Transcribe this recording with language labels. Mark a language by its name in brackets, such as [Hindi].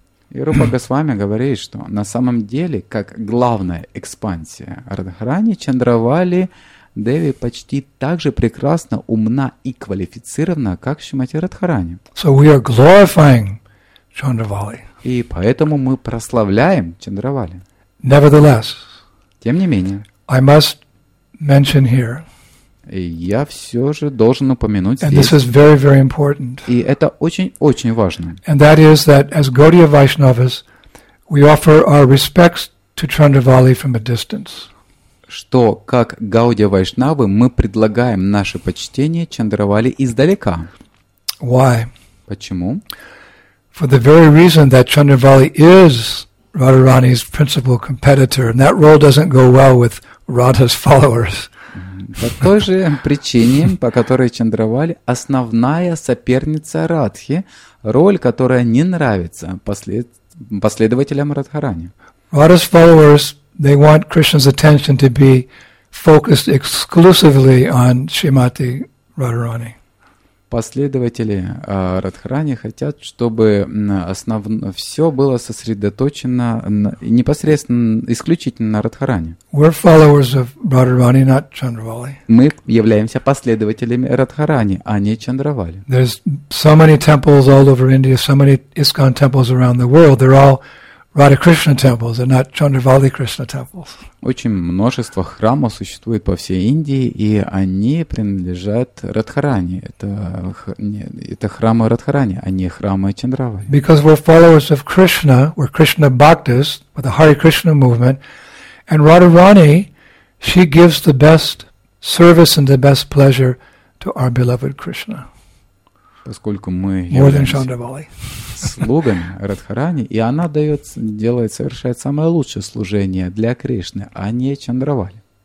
[Russian] И Рупа Госвами говорит, что на самом деле, как главная экспансия Радхарани, Чандравали Деви почти так же прекрасна, умна и квалифицирована, как Шримати Радхарани. [English] So we are glorifying Chandravali. [Russian] И поэтому мы прославляем Чандравали. [English] Nevertheless, [Russian] тем не менее, [English] I must mention here, [Russian] и я все же должен упомянуть [English] and [Russian] здесь. [English] This is very, very important. [Russian] И это очень-очень важно. [English] And that is that as Gaudiya Vaishnavas, we offer our respects to Chandravali from a distance. [Russian] что как Гаудия Вайшнавы мы предлагаем наше почтение Чандравали издалека. [English] Why? [Russian] Почему? [English] For the very reason that Chandravali is Radharani's principal competitor, and that role doesn't go well with Radha's followers. [Russian] По той же причине, по которой Чандравали основная соперница Радхи, роль, которая не нравится последователям Радхарани. [English] Radha's followers, they want Krishna's attention to be focused exclusively on Shrimati Radharani. [Russian] Последователи Радхарани хотят, чтобы все было сосредоточено непосредственно, исключительно на Радхарани. [English] We're followers of Radharani, not Chandravali. [Russian] Мы являемся последователями Радхарани, а не Чандравали. [English] There's so many temples all over India, so many ISKCON temples around the world. They're all Radha Krishna temples, and not Chandravali Krishna temples. [Russian] Очень множество храмов существует по всей Индии, и они принадлежат Радхарани. Это храмы Радхарани, а не храмы Чандравали. [English] Because we're followers of Krishna, we're Krishna Bhaktis with the Hare Krishna movement, and Radharani, she gives the best service and the best pleasure to our beloved Krishna. [Russian] Поскольку мы [English] more than Chandravali. [Russian] Слугами Радхарани, и она дает, делает, совершает самое лучшее служение для Кришны, а не Чандравали.